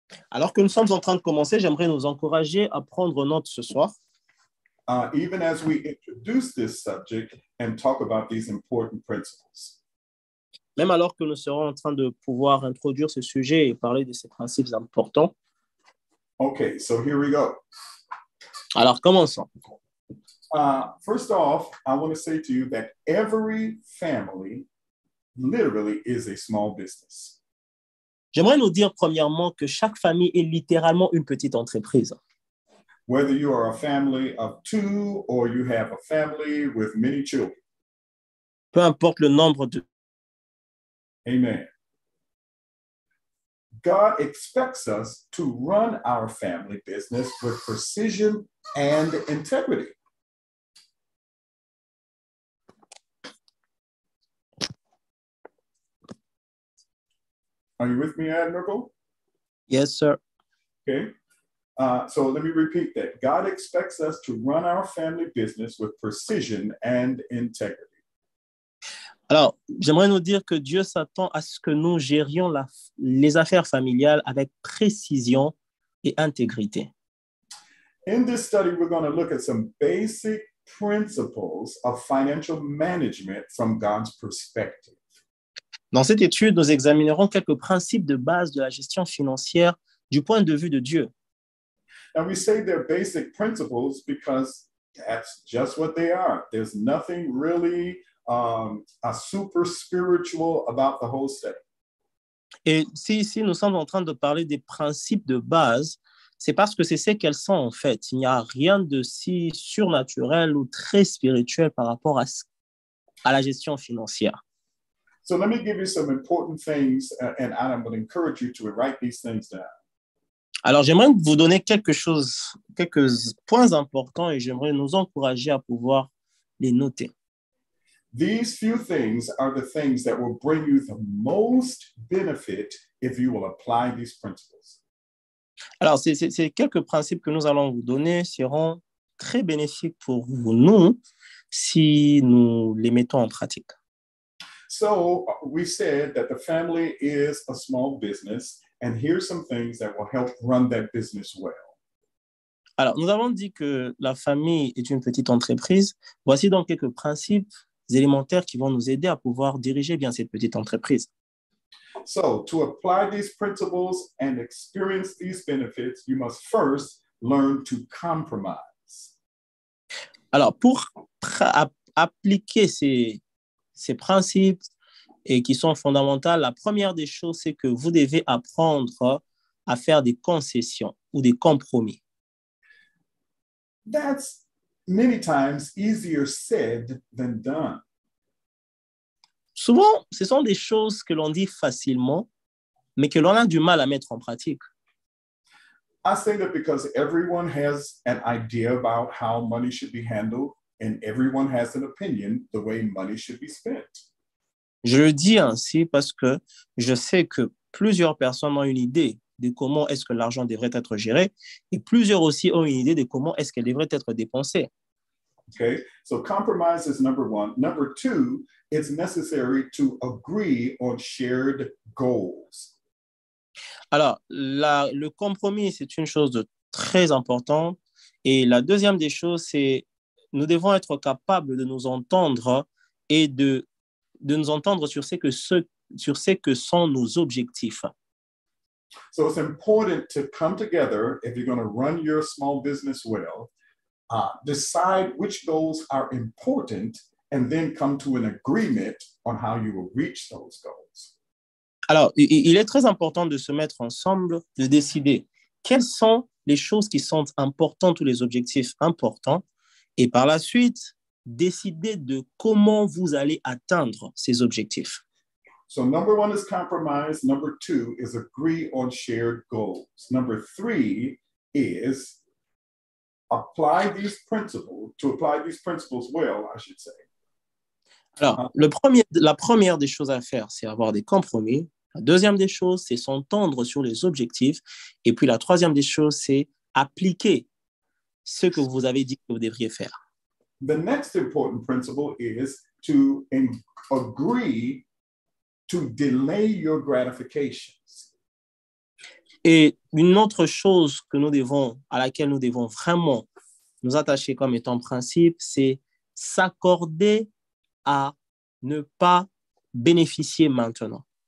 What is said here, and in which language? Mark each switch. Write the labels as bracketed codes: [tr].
[fr] Alors que nous sommes en train de commencer, j'aimerais nous encourager à prendre note ce soir. [en] Even as we introduce this subject and talk about these important principles. [fr] Même alors que nous serons en train de pouvoir introduire ce sujet et parler de ces principes importants. [en] Okay, so here we go. [fr] Alors, commençons. [en] First off, I want to say to you that every family literally is a small business. [fr] J'aimerais nous dire premièrement que chaque famille est littéralement une petite entreprise. [en] Whether you are a family of two or you have a family with many children. [fr] Peu importe le nombre de... [en] Amen. God expects us to run our family business with precision and integrity. Are you with me, Admirable? Yes, sir. Okay. So let me repeat that. God expects us to run our family business with precision and integrity. [fr] Alors, j'aimerais nous dire que Dieu s'attend à ce que nous gérions les affaires familiales avec précision et intégrité. [en] In this study, we're going to look at some basic principles of financial management from God's perspective. [fr] Dans cette étude, nous examinerons quelques principes de base de la gestion financière du point de vue de Dieu. [en] And we say they're basic principles because that's just what they are. There's nothing really a super spiritual about the whole study. [fr] Et si ici nous sommes en train de parler des principes de base, c'est parce que c'est ce qu'elles sont en fait. Il n'y a rien de si surnaturel ou très spirituel par rapport à la gestion financière. [en] So let me give you some important things, and Adam would encourage you to write these things down. [fr] Alors, j'aimerais vous donner quelques points importants, et j'aimerais nous encourager à pouvoir les noter. [en] These few things are the things that will bring you the most benefit if you will apply these principles. [fr] Alors, ces quelques principes que nous allons vous donner seront très bénéfiques pour nous si nous les mettons en pratique. [en] So, we said that the family is a small business, and here's some things that will help run that business well. [fr] Alors, nous avons dit que la famille est une petite entreprise. Voici donc quelques principes élémentaires qui vont nous aider à pouvoir diriger bien cette petite entreprise. [en] So, to apply these principles and experience these benefits, you must first learn to compromise? [fr] Alors, pour appliquer ces principes et qui sont fondamentaux, la première des choses, c'est que vous devez apprendre à faire des concessions ou des compromis. [en] That's many times easier said than done. [fr] Souvent, ce sont des choses que l'on dit facilement, mais que l'on a du mal à mettre en pratique. [en] I say that because everyone has an idea about how money should be handled, and everyone has an opinion the way money should be spent. [fr] Je le dis ainsi parce que je sais que plusieurs personnes ont une idée de comment est-ce que l'argent devrait être géré, et plusieurs aussi ont une idée de comment est-ce qu'elle devrait être dépensée. [en] Okay, so compromise is number one. Number two, it's necessary to agree on shared goals. [fr] Alors, le compromis, c'est une chose de très importante. Et la deuxième des choses, c'est nous devons être capables de nous entendre et de nous entendre sur ce que sont nos objectifs. [en] So it's important to come together if you're going to run your small business well. Decide which goals are important and then come to an agreement on how you will reach those goals. [fr] Alors, il est très important de se mettre ensemble, de décider quelles sont les choses qui sont importantes ou les objectifs importants, et par la suite, décider de comment vous allez atteindre ces objectifs. [en] So number one is compromise. Number two is agree on shared goals. Number three is apply these principles well, I should say. [fr] Alors, la première des choses à faire, c'est avoir des compromis. La deuxième des choses, c'est s'entendre sur les objectifs. Et puis la troisième des choses, c'est appliquer ce que vous avez dit que vous devriez faire. [en] The next important principle is to agree to delay your gratifications. [fr] Et une autre chose que nous devons, à laquelle nous devons vraiment nous attacher comme étant principe, c'est s'accorder à ne pas bénéficier maintenant.